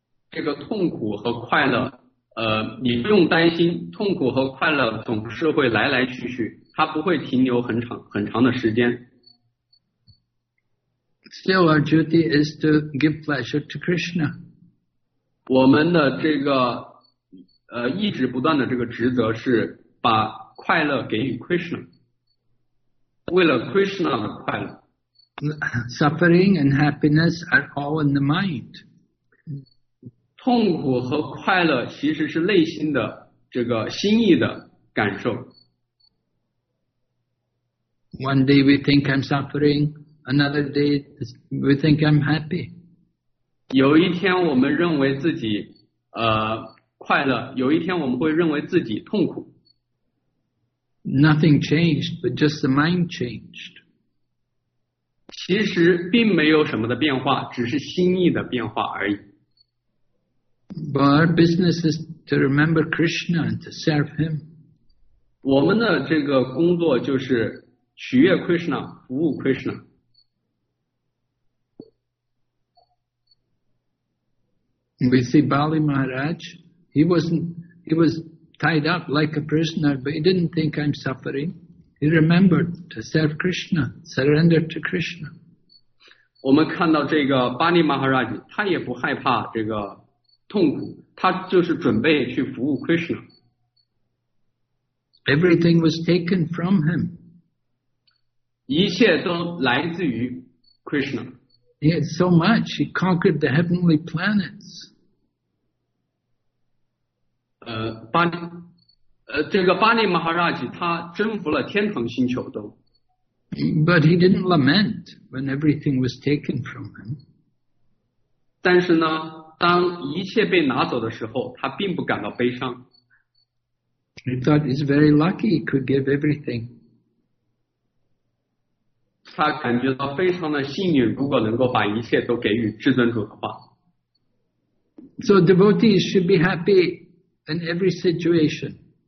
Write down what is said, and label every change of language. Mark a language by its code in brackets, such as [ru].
[zh] 这个痛苦和快乐，你不用担心，痛苦和快乐总是会来来去去。它不会停留很长的时间。 [en] Still, our duty is to give pleasure to Krishna. [zh] 我们的这个一直不断的这个职责是把快乐给予 Krishna. 为了 Krishna 的快乐。 [en] Suffering and happiness are all in the mind. [zh] 痛苦和快乐其实是内心的这个心意的感受。 [en] One day we think I'm suffering, another day we think I'm happy. [zh] 有一天我们认为自己快乐，有一天我们会认为自己痛苦。 [en] Nothing changed, but just the mind changed. [zh] 其实并没有什么的变化，只是心意的变化而已。 [en] But our business is to remember Krishna and to serve him. [zh] 我们的这个工作就是取悦 Krishna， 服务 Krishna。 [en] We see Bali Maharaj, he was tied up like a prisoner, but he didn't think I'm suffering. He remembered to serve Krishna, surrender to Krishna. [zh] 我们看到这个巴尼马哈拉吉，他也不害怕这个痛苦，他就是准备去服务 Krishna。 [en] Everything was taken from him. [zh] 一切都来自于 Krishna。 [en] He had so much. He conquered the heavenly planets. [zh] Bani Maharaj, 他征服了天堂星球都。 [en] But he didn't lament when everything was taken from him. [zh] 但是呢，当一切被拿走的时候，他并不感到悲伤。 [en] He thought he's very lucky. He could give everything. [zh] 他感觉到非常的幸运，如果能够把一切都给予至尊主的话。 [en] So devotees should be happy in every situation.